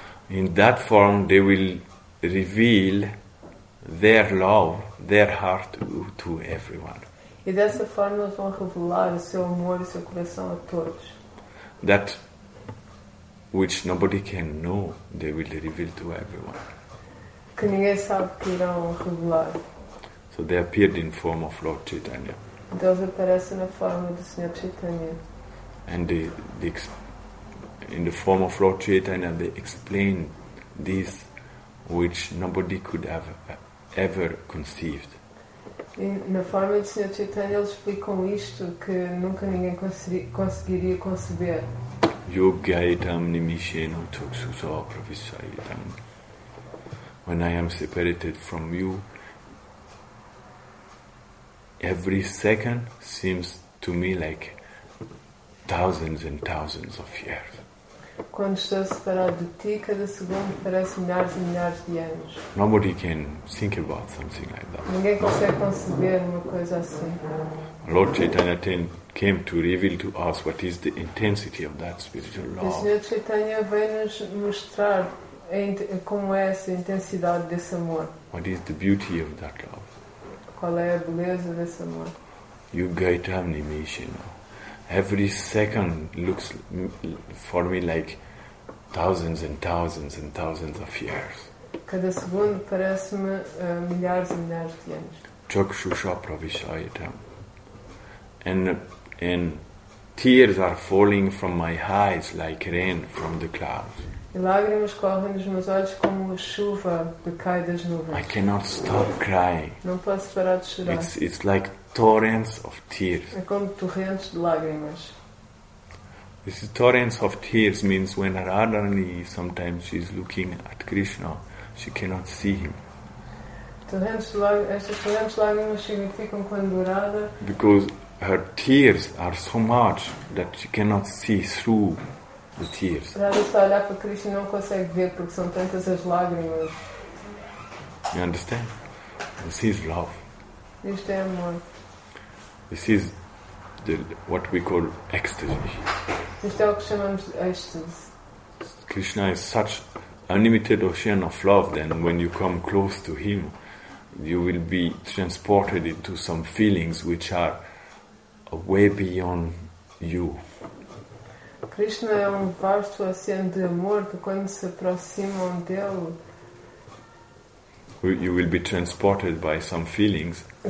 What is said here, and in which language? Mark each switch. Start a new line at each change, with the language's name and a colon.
English: In that form, they will reveal their love, their heart to everyone.
Portuguese: E dessa forma, eles vão revelar o seu amor e o seu coração a todos.
English: That which nobody can know, they will reveal to everyone.
Portuguese: Que ninguém sabe que irão revelar.
English: So they appeared in form of Lord Chaitanya.
Portuguese: Deus aparece na forma do Senhor Chaitanya.
English: And in the form of Lord Chaitanya, they explain this which nobody could have ever conceived.
Portuguese: E na forma do Senhor Chaitanya, eles explicam isto que nunca ninguém conseguiria conceber.
Sanskrit: Yogyaitam nimishena chakshusa pravishayitam.
English: When I am separated from you, every second seems to me like thousands and thousands of years.
Portuguese: Quando estou separado de ti, cada segundo parece milhares e milhares de anos.
English: Nobody can think about something like that.
Portuguese: Ninguém consegue conceber uma coisa assim.
English: Lord Chaitanya came to reveal to us what is the intensity of that spiritual love.
Portuguese: O Senhor Chaitanya veio-nos mostrar como é essa intensidade desse amor.
English: What is the beauty of that love?
Portuguese: Qual é a beleza desse amor?
Sanskrit: Yogyaitam nimishena.
English: Every second looks for me like thousands and thousands and thousands of years.
Portuguese: Cada segundo parece-me milhares e milhares de anos.
Sanskrit: Chakshusha pravishayatam.
English: And tears are falling from my eyes like rain from the clouds.
Portuguese: E lágrimas correm nos meus olhos como a chuva que cai das nuvens.
English: I cannot stop crying.
Portuguese: Não posso parar de chorar.
English: It's like torrents of tears.
Portuguese: É como torrentes de lágrimas.
English: This is torrents of tears means when Radharani sometimes she is looking at Krishna, she cannot see him.
Portuguese: Estas torrentes de lágrimas significam quando Radha.
English: Because her tears are so much that she cannot see through the tears.
Portuguese: Radha está a olhar para Krishna e não consegue ver porque são tantas as lágrimas.
English: You understand? This is love.
Portuguese: Isto é amor.
English: This is what we call ecstasy.
Portuguese: Isto é o que chamamos de êxtase.
English: Krishna is such unlimited ocean of love, then when you come close to him, you will be transported into some feelings which are way beyond you.
Portuguese: Krishna é um vasto oceano de amor que quando se aproximam dele,
English: you will be transported by some feelings.